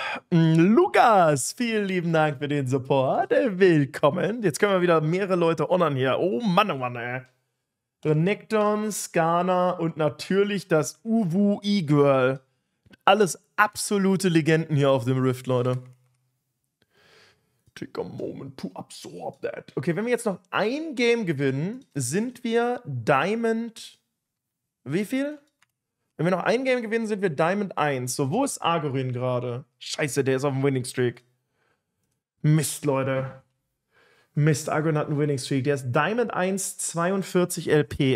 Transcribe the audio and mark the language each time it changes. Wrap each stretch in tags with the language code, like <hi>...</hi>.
<de>Lukas, vielen lieben Dank für den Support. Willkommen. Jetzt können wir wieder mehrere Leute honoren hier. Oh Mann, oh Mann, ey. Renekton, Skarner und natürlich das Uwu E-Girl. Alles absolute Legenden hier auf dem Rift, Leute.</de> <en>Take a moment to absorb that.</en> <de>Okay, wenn wir jetzt noch ein Game gewinnen, sind wir Diamond... Wie viel? Wenn wir noch ein Game gewinnen, sind wir Diamond 1. So, wo ist Argorin gerade? Scheiße, der ist auf dem Winning Streak. Mist, Leute. Mist, Argorin hat einen Winning Streak. Der ist Diamond 1, 42 LP.</de>